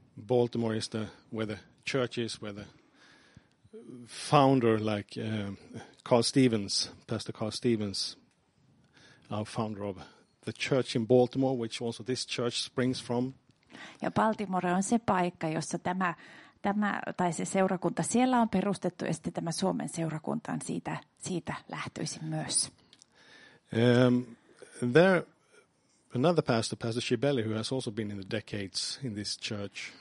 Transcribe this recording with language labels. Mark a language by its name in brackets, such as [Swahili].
[English] Baltimore is the where the church is, where the founder, like Carl Stevens, Pastor Carl Stevens, our founder of the church in Baltimore, which also this church springs from. [Finnish] Ja Baltimore on se paikka, jossa tämä tai se seurakunta siellä on perustettu, ja sitten tämä Suomen seurakunta on siitä lähtöisin myös. [English] There another pastor Shibeli, who has also been in the decades in this church.